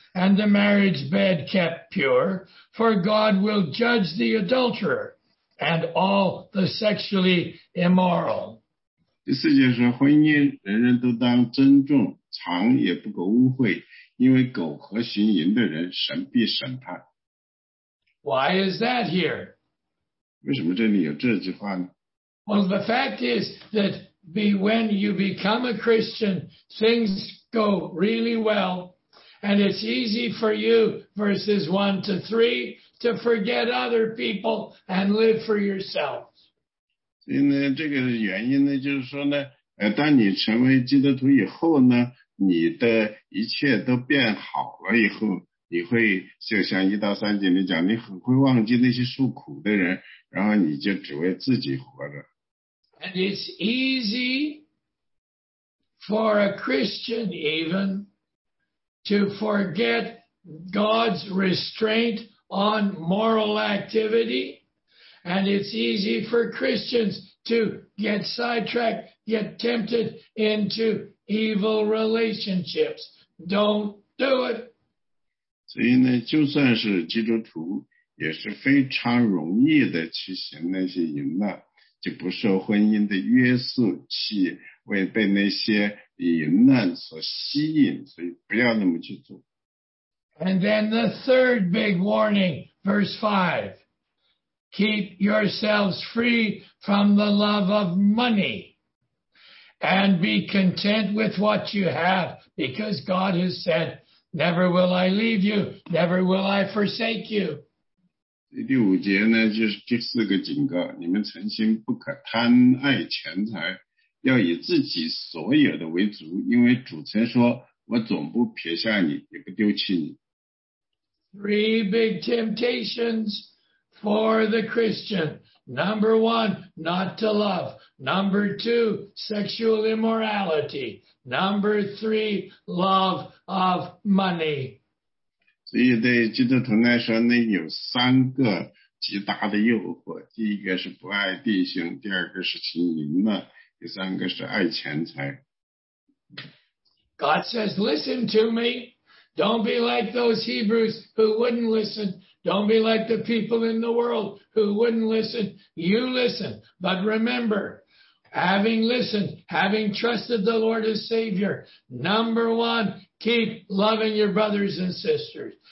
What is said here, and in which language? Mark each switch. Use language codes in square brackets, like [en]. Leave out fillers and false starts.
[en] And the marriage bed kept pure, for God will judge the adulterer and all the sexually immoral. [zh] 第四节说，婚姻人人都当尊重，常也不可污秽，因为苟合行淫的人，神必审判。 [en] Why is that here? [zh] 为什么这里有这句话呢？ [en] Well, the fact is that when you become a Christian, things go really well, and it's easy for you, verses 1 to 3, to forget other people and live for yourself. [zh] 所以呢，这个原因呢，就是说呢，当你成为基督徒以后呢，你的一切都变好了以后，你会就像一到三节里讲，你很会忘记那些受苦的人，然后你就只为自己活着。 [en] And it's easy for a Christian even to forget God's restraint on moral activity. And it's easy for Christians to get sidetracked, get tempted into evil relationships. Don't do it. [zh] 所以呢，就算是基督徒，也是非常容易的去行那些淫乱。就不受婚姻的约束，去为被那些淫乱所吸引，所以不要那么去做。 [en] And then the third big warning, verse 5. Keep yourselves free from the love of money and be content with what you have, because God has said, never will I leave you, never will I forsake you. [zh] 第五节呢，就是第四个警告，你们诚心不可贪爱钱财，要以自己所有的为主，因为主曾说，我总不撇下你，也不丢弃你。 [en] Three big temptations for the Christian. Number one, not to love. Number two, sexual immorality. Number three, love of money. [zh] 所以对基督徒来说呢，有三个极大的诱惑，第一个是不爱弟兄，第二个是行淫乱，第三个是爱钱财。 [en] God says, listen to me. Don't be like those Hebrews who wouldn't listen. Don't be like the people in the world who wouldn't listen. You listen, but rememberHaving listened, having trusted the Lord as Savior, number one, keep loving your brothers and sisters.